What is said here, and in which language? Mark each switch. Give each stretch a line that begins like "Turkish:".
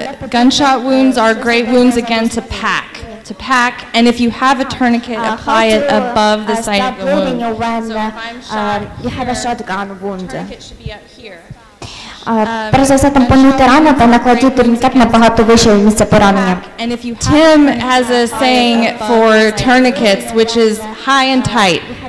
English: Gunshot wounds are great wounds again to pack, and if you have a tourniquet, apply it above the site of the wound. When, so if I'm shot, you have a shotgun wound. Tourniquet should be up here.
Ukrainian: Перш за все, там помити рану та накладати турнікет набагато вище місце поранення.
English: Tim has a saying for tourniquets, which is high and tight.